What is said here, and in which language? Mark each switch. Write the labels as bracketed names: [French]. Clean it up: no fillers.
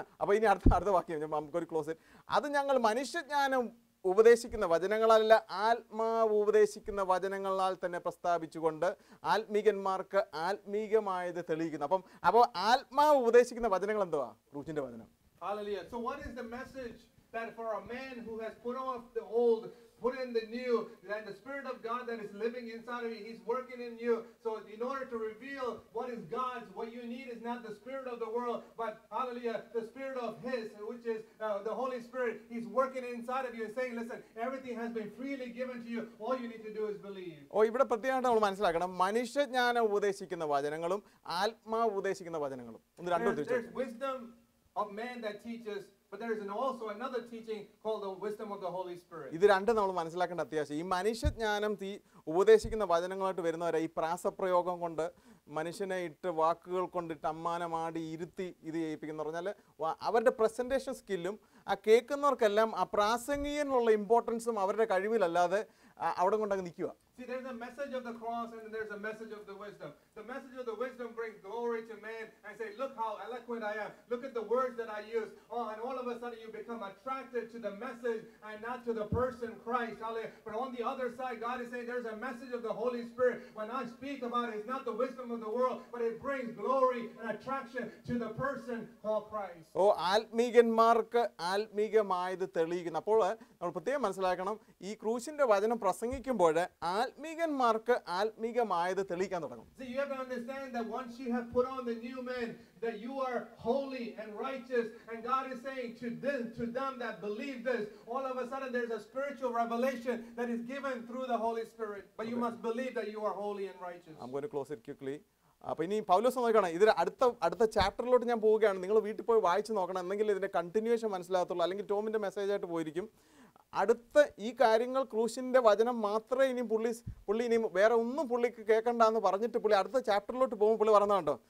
[Malayalam] അപ്പോൾ ഇനി അടുത്ത വാക്യം നമുക്ക് ഒരു ക്ലോസ് ഇറ്റ്. അത് ഞങ്ങൾ മനുഷ്യജ്ഞാനം ഉപദേശിക്കുന്ന വചനങ്ങളല്ല, ആത്മാവ് ഉപദേശിക്കുന്ന വചനങ്ങളാൽ തന്നെ പ്രസ്താവിച്ചുകൊണ്ട് ആത്മീകന്മാർക്ക് ആത്മീകമായത് തെളിയിക്കുന്നു. അപ്പോൾ ആത്മാവ് ഉപദേശിക്കുന്ന വചനങ്ങൾ എന്തുവാ? ക്രൂശിന്റെ വചനം. [English] Hallelujah. So what is the message that for a man who has put off the old, put in the new, that the Spirit of God that is living inside of you, he's working in you. So in order to reveal what is God's, what you need is not the Spirit of the world, but, hallelujah, the Spirit of his, which is the Holy Spirit, he's working inside of you and saying, listen, everything has been freely given to you. All you need to do is believe. [Malayalam] Oh, ഇവിടെ പ്രത്യേകം നമ്മൾ മനസ്സിലാക്കണം, മനുഷ്യജ്ഞാനം ഉപദേശിക്കുന്ന വചനങ്ങളും ആത്മാവ് ഉപദേശിക്കുന്ന വചനങ്ങളും ഒന്ന് രണ്ടും തിരിച്ചു. [English] There's wisdom of man that teaches, but there is also another teaching called the wisdom of the Holy Spirit. [Malayalam] ഇതു രണ്ടും നമ്മൾ മനസ്സിലാക്കേണ്ട അത്യാവശ്യം. ഈ മനുഷ്യജ്ഞാനം ഉപദേശിക്കുന്ന വചനങ്ങളായിട്ട് വരുന്നവരെ ഈ പ്രാസപ്രയോഗം കൊണ്ട് മനുഷ്യനെ ഇട്ട് വാക്കുകൾ കൊണ്ടിട്ട് അമ്മാനമാടി ഇരുത്തി ഇത് ചെയ്യിപ്പിക്കുന്നു പറഞ്ഞാൽ അവരുടെ പ്രസന്റേഷൻ സ്കില്ലും ആ കേൾക്കുന്നവർക്കെല്ലാം ആ പ്രാസംഗികനുള്ള ഇമ്പോർട്ടൻസും അവരുടെ കഴിവിലല്ലാതെ അവിടെ കൊണ്ടങ്ങ് നിൽക്കുക. [English] See, there's a message of the cross and there's a message of the wisdom. The message of the wisdom brings glory to man and say, look how eloquent I am. Look at the words that I use. Oh, and all of a sudden you become attracted to the message and not to the person Christ. But on the other side, God is saying there's a message of the Holy Spirit. When I speak about it, it's not the wisdom of the world, but it brings glory and attraction to the person called Christ. [Malayalam] Oh, ആത്മീകന്മാർക്ക് ആത്മീകമായത് തെളിയിക്കുന്നു. അപ്പോൾ നമ്മൾ പ്രത്യേകം മനസ്സിലാക്കണം, ഈ ക്രൂശിന്റെ വചനം പ്രസംഗിക്കുമ്പോൾ ആത്മീകന്മാർക്ക് ആത്മീകമായത് തെളിയിക്കാൻ തുടങ്ങും. [English] See, you have to understand that once you have put on the new man, that you are holy and righteous, and God is saying to them, that believe this, all of a sudden there's a spiritual revelation that is given through the Holy Spirit. But you must believe that you are holy and righteous. I'm going to close it quickly. [Malayalam] അപ്പോൾ ഇനി പൗലോസ് നോക്കണം, ഇതിൽ അടുത്ത ചാപ്റ്ററിലോട്ട് ഞാൻ പോവുകയാണ്. നിങ്ങൾ വീട്ടിൽ പോയി വായിച്ച് നോക്കണം, എന്തെങ്കിലും ഇതിൻ്റെ കണ്ടിന്യൂഷൻ മനസ്സിലാകത്തുള്ളൂ, അല്ലെങ്കിൽ ടോമിൻ്റെ മെസ്സേജായിട്ട് പോയിരിക്കും. അടുത്ത ഈ കാര്യങ്ങൾ ക്രൂശിൻ്റെ വചനം മാത്രമേ ഇനി പുള്ളി ഇനി വേറെ ഒന്നും പുള്ളിക്ക് കേൾക്കണ്ടെന്ന് പറഞ്ഞിട്ട് പുള്ളി അടുത്ത ചാപ്റ്ററിലോട്ട് പോകുമ്പോൾ പുള്ളി പറഞ്ഞതുണ്ട്.